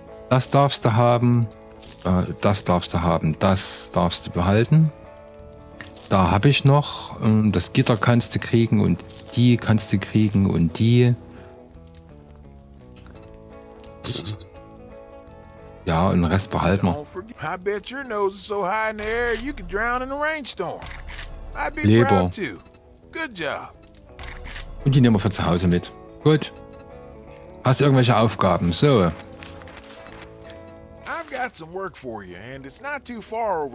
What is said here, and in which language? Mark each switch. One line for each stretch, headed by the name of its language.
German: Das darfst du haben. Das darfst du haben. Das darfst du behalten. Da habe ich noch, das Gitter kannst du kriegen und die kannst du kriegen und die. Ja, und den Rest behalten wir.
English: I bet your nose is so high in the air, you could drown in a rainstorm. I'd be Leber. Proud too. Good job.
German: Und die nehmen wir für zu Hause mit. Gut. Hast du irgendwelche Aufgaben? So.
English: I've got some work for you, and it's not too far over